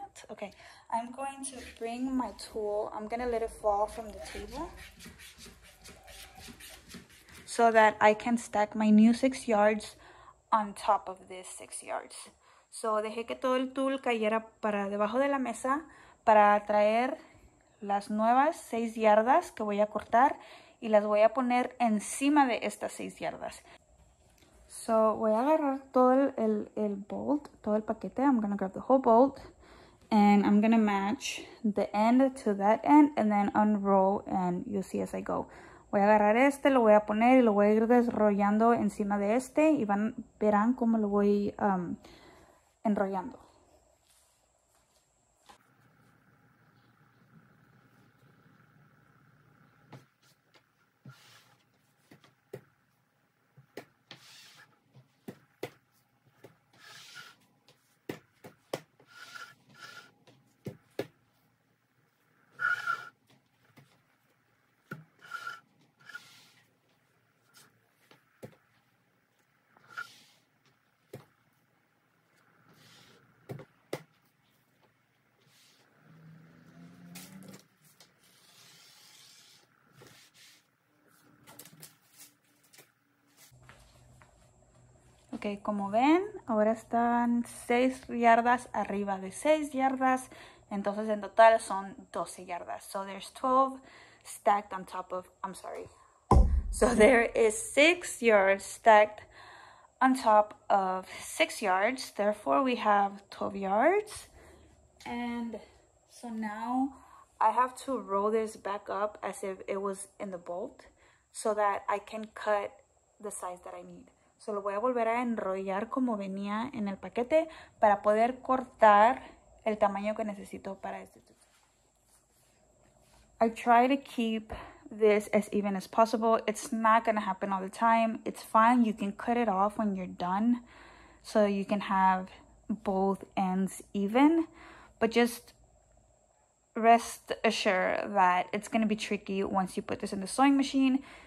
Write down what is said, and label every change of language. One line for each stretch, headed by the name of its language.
English: Okay, I'm going to bring my tulle. I'm going to let it fall from the table so that I can stack my new 6 yards on top of this 6 yards.
Spanish: So, dejé que todo el tulle cayera para debajo de la mesa para traer las nuevas 6 yardas que voy a cortar y las voy a poner encima de estas 6 yardas. So, voy a agarrar todo el bolt, todo el paquete.
English: I'm going to grab the whole bolt. And I'm gonna match the end to that end and then unroll and you'll see as I go.
Spanish: Voy a agarrar este, lo voy a poner y lo voy a ir desrollando encima de este y verán cómo lo voy enrollando. Okay, como ven, ahora están 6 yardas arriba de 6 yardas. Entonces, en total son 12 yardas.
English: So there's 12 stacked on top of, I'm sorry. So there is 6 yards stacked on top of 6 yards. Therefore, we have 12 yards. And so now I have to roll this back up as if it was in the bolt so that I can cut the size that I need.
Spanish: So lo voy a volver a enrollar como venía en el paquete para poder cortar el tamaño que necesito para este tutu.
English: I try to keep this as even as possible. It's not gonna happen all the time. It's fine, you can cut it off when you're done so you can have both ends even. But just rest assured that it's gonna be tricky once you put this in the sewing machine.